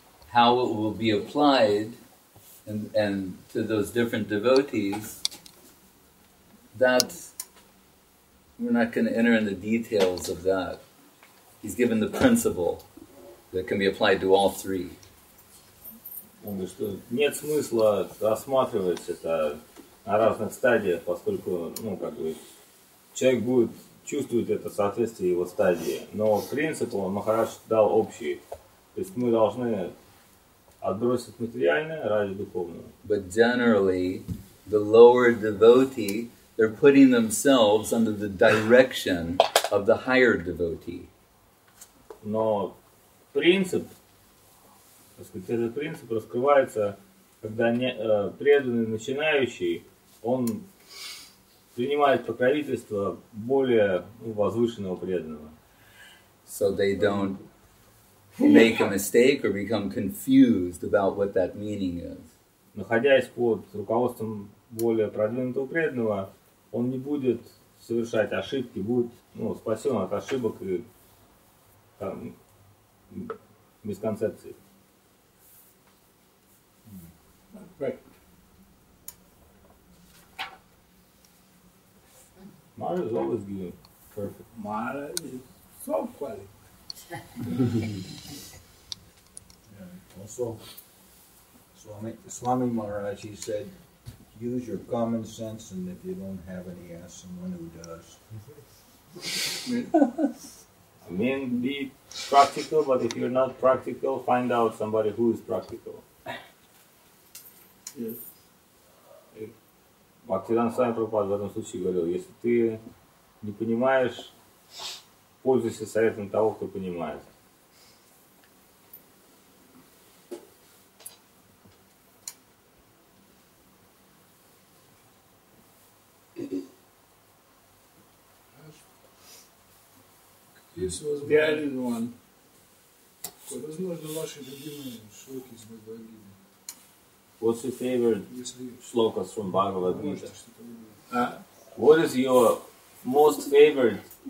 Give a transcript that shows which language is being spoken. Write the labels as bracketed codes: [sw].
[en] How it will be applied and to those different devotees, that we're not going to enter in the details of that. He's given the principle that can be applied to all three. [ru] Нет смысла рассматривать это на разных стадиях, поскольку, ну, как бы, человек будет чувствовать это соответствие его стадии. Но принцип он, Махарадж, дал общий. То есть мы должны отбросить материальное ради духовного. [en] But generally, the lower devotee, they're putting themselves under the direction of the higher devotee. [ru] Но принцип, так сказать, этот принцип раскрывается, когда преданный начинающий, он принимает покровительство более, ну, возвышенного преданного. [en] So they don't make a mistake or become confused about what that meaning is. [ru] Находясь под руководством более продвинутого преданного, он не будет совершать ошибки, будет, ну, спасен от ошибок и там, мисконцепций. [en] Maharaj is always giving perfect. Maharaj is so qualified. Yeah. Also, Swami Maharaj, he said, use your common sense, and if you don't have any, ask someone who does. I mean, be practical, but if you're not practical, find out somebody who is practical. Yes. [ru] Бхактиран Свами Прабхупад в этом случае говорил, если ты не понимаешь, пользуйся советом того, кто понимает. Возможно, ваши любимые шлоки из Бхагавад-гиты. [en] What's your favorite shlokas from Bhagavad Gita? What is your most favorite